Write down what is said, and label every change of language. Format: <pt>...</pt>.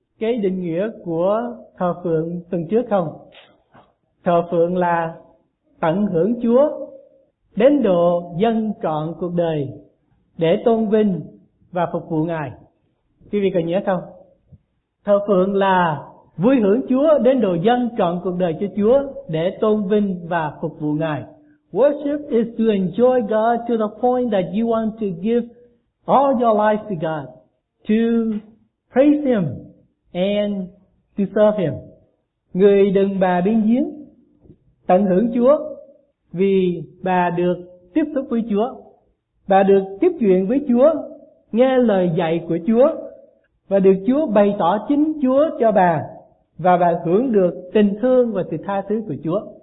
<vi>Cái định nghĩa của thờ phượng tuần trước không? Thờ phượng là tận hưởng Chúa đến độ dâng trọn cuộc đời để tôn vinh và phục vụ Ngài. Quý vị có nhớ không? Thờ phượng là vui hưởng Chúa đến độ dâng trọn cuộc đời cho Chúa để tôn vinh và phục vụ Ngài.</vi> <en>Worship is to enjoy God to the point that you want to give all your life to God, to praise Him and to serve Him.</en> <vi>Người đừng bà biên giếng, tận hưởng Chúa vì bà được tiếp xúc với Chúa, bà được tiếp chuyện với Chúa, nghe lời dạy của Chúa và được Chúa bày tỏ chính Chúa cho bà, và bà hưởng được tình thương và sự tha thứ của Chúa.</vi>